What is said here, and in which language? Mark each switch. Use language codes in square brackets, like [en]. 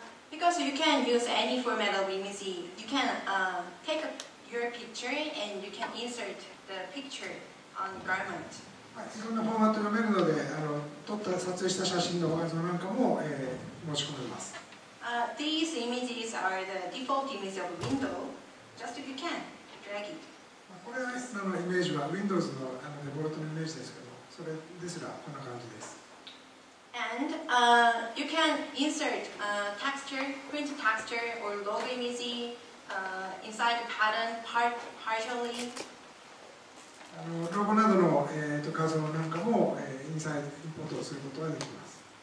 [en] Because you can use any format of image, you can take your picture and you can insert the picture on garment. [ja] いろんなフォーマットが読めるので、撮った撮影した写真の画像なんかも、持ち込めます。 [en] These images are the default image of Windows. Just if you can, drag it. [ja] これはそのイメージは Windows のデフォルトのイメージですけど、それですらこんな感じです。 [en] And you can insert texture, print texture or logo image inside the pattern partially. [ja] ロゴなどの、画像なんかも、インサイドインポートをすることができます。